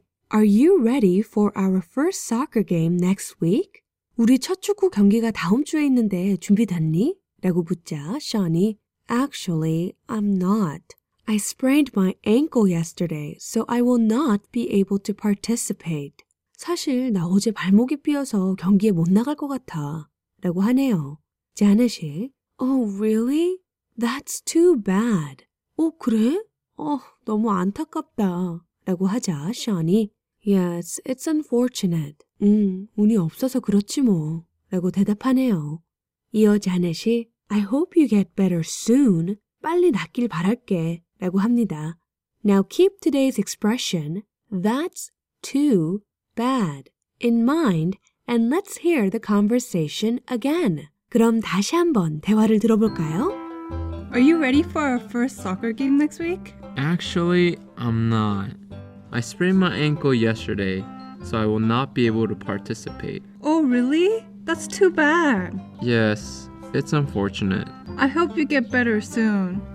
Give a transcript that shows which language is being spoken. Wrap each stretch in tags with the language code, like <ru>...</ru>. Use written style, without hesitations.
<en>Are you ready for our first soccer game next week?</en> <ko>우리 첫 축구 경기가 다음 주에 있는데 준비됐니? 라고 묻자 Sean이</ko> <en>Actually, I'm not. I sprained my ankle yesterday, so I will not be able to participate.</en> <ko>사실 나 어제 발목이 삐어서 경기에 못 나갈 것 같아. 라고 하네요. Janice,</ko> <en>Oh, really? That's too bad.</en> <ko>어, 그래? 어, 너무 안타깝다. 라고 하자, Sean이</ko> <en>Yes, it's unfortunate.</en> <ko>운이 없어서 그렇지 뭐. 라고 대답하네요. 이어</ko> <en>Janice이 I hope you get better soon.</en> <ko>빨리 낫길 바랄게. 라고 합니다.</ko> <en>Now keep today's expression, that's too bad, in mind, and let's hear the conversation again.</en> <ko>그럼 다시 한번 대화를 들어볼까요?</ko> <en>Are you ready for our first soccer game next week? Actually, I'm not. I sprained my ankle yesterday, so I will not be able to participate. Oh, really? That's too bad. Yes, it's unfortunate. I hope you get better soon.</en>